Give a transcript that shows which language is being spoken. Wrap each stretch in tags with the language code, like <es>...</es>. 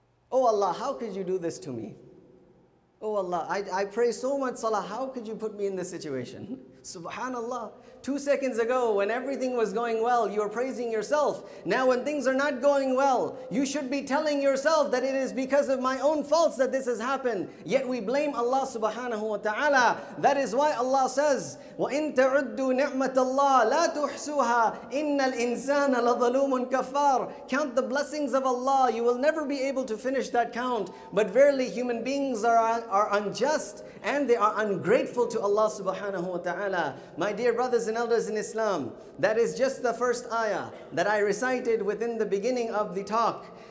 <en>Oh Allah, how could you do this to me? Oh Allah, I pray so much salah, how could you put me in this situation? Subhanallah. 2 seconds ago, when everything was going well, you were praising yourself. Now when things are not going well, you should be telling yourself that it is because of my own faults that this has happened. Yet we blame Allah subhanahu wa ta'ala. That is why Allah says,</en> <ar>وَإِن تَعُدُّوا نِعْمَةَ اللَّهِ لَا تُحْسُوهَا إِنَّ الْإِنسَانَ لَظَلُومٌ كَفَّارٌ.</ar> <en>Count the blessings of Allah. You will never be able to finish that count. But verily, human beings are unjust and they are ungrateful to Allah subhanahu wa ta'ala. My dear brothers and elders in Islam, that is just the first ayah that I recited within the beginning of the talk.</en>